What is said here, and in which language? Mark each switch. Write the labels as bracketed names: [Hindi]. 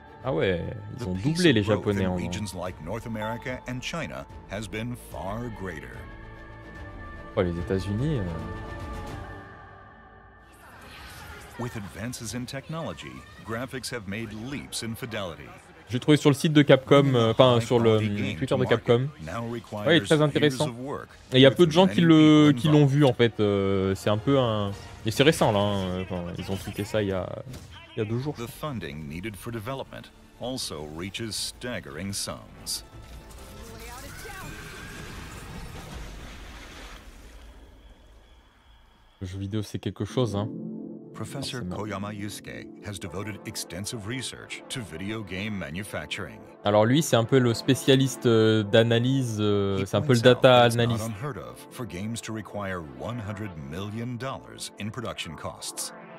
[French] Ah ouais, ils ont doublé les Japonais en [English] regions like North America and China has been far greater. [French] Oh, les États-Unis. [English] With advances in technology, graphics have made leaps in fidelity. [French] J'ai trouvé sur le site de Capcom, enfin sur le Twitter de Capcom. Ouais, il est très intéressant. Et il y a peu de gens qui l'ont vu en fait. C'est un peu un. Et c'est récent là. Hein. Ils ont tweeté ça il y a deux jours. [English] The funding needed for development also reaches staggering sums. [French] Le jeu vidéo, c'est quelque chose, hein. [English] Professor Koyama Yusuke has devoted extensive research to video game manufacturing. [French] Alors lui, c'est un peu le spécialiste d'analyse, c'est un peu le data analyst. [English] It's not unheard of for games to require $100 million in production costs.